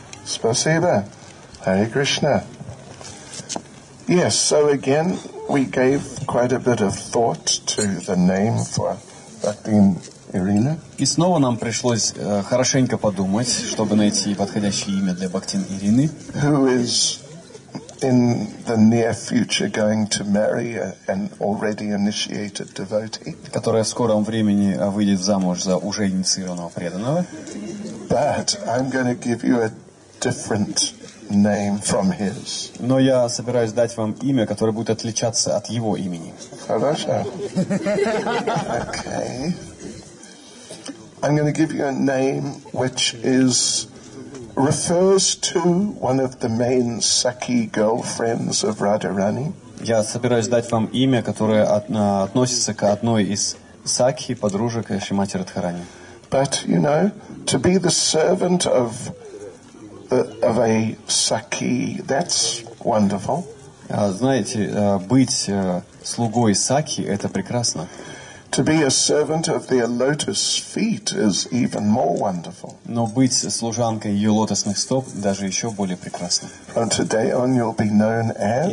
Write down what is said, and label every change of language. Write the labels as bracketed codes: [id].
[en] Спасибо. Hare Krishna. Yes, so again, we gave quite a bit of thought to the name for Bhaktin Irina. [ru] И снова нам пришлось хорошенько подумать, чтобы найти подходящее имя для Бхактин Ирины. [en] Who is in the near future going to marry an already initiated devotee? [ru] Которая в скором времени выйдет замуж за уже инициированного преданного. [en] But I'm going to give you a different name from his. [ru] Но я собираюсь дать вам имя, которое будет отличаться от его имени. Хорошо. [en] Okay. I'm going to give you a name which is refers to one of the main Sakhi girlfriends of Radharani. [ru] Я собираюсь дать вам имя, которое относится к одной из Сакхи, подружек Шримати Радхарани. [en] But you know, to be the servant of of a Sakhi, that's wonderful. [ru] Знаете, быть слугой Сакхи – это прекрасно. [en] To be a servant of the lotus feet is even more wonderful. [ru] Но быть служанкой ее лотосных стоп – даже еще более прекрасно. [en] From today on you'll be known as...